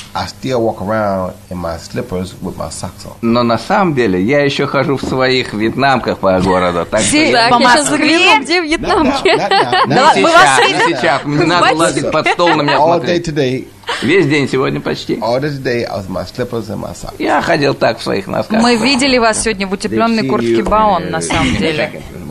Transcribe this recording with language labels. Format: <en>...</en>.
<en>I still walk around in my slippers with my socks on.</en> <ru>Но на самом деле я еще хожу в своих вьетнамках по городу. Так что я загляну, где вьетнамки. Сейчас, надо лазить под стол на меня смотреть.</ru> <en>All day today,</en> <ru>Весь день сегодня почти.</ru> <en>All this day I was in my slippers and my socks.</en> <ru>Я ходил так в своих носках. Мы видели вас сегодня в утепленной куртке Баон, на самом деле.</ru>